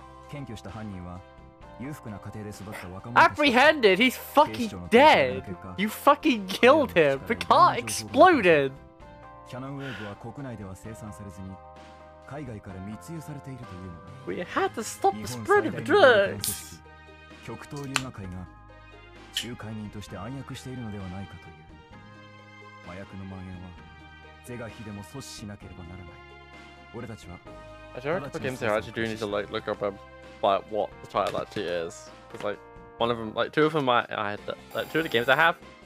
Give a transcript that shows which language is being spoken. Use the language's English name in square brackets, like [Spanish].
[Japanese] 検挙した犯人は裕福な家庭で育った若者。 [English] Apprehended. He's fucking dead. You fucking killed him. The car exploded. [Japanese] キャノンウェーブは国内では生産されずに海外から密輸されているというの。 [English] We had to stop the spread of drugs. [Japanese] 極東流麻界が仲介人として暗躍しているのではないかという。麻薬の蔓延は是が非でも阻止しなければならない。俺たちは。 [English] I don't know if the games here actually do need to like look up a, like what the title actually is. Cause like one of them, like two of them, I had the, like two of the games I have.